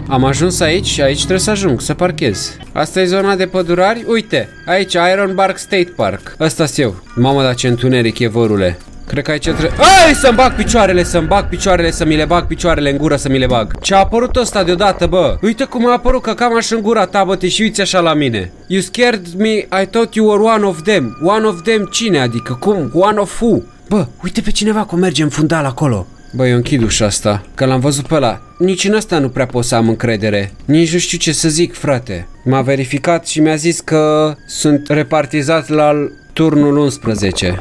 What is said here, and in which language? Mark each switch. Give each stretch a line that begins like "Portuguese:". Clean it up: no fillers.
Romanian: Am ajuns aici și aici trebuie să ajung, să parchez. Asta e zona de pădurari? Uite, aici, Iron Bark State Park. Ăsta-s eu. Mamă, dar ce întuneric e, vărule. Cred că aici trebuie... Ai, să-mi bag picioarele, să mi le bag picioarele în gură, să mi le bag. Ce a apărut ăsta deodată, bă? Uite cum a apărut, că cam așa în gura ta, bă, te și uiți așa la mine.
English: You scared me, I thought you were one of them. One of them
Romanian: cine, adică cum?
English: One of who?
Romanian: Bă, uite pe cineva cum merge în fundal acolo. Bă, eu închid ușa asta, că l-am văzut pe ăla. Nici în asta nu prea pot să am încredere. Nici nu știu ce să zic, frate. M-a verificat și mi-a zis că sunt repartizat la turnul 11.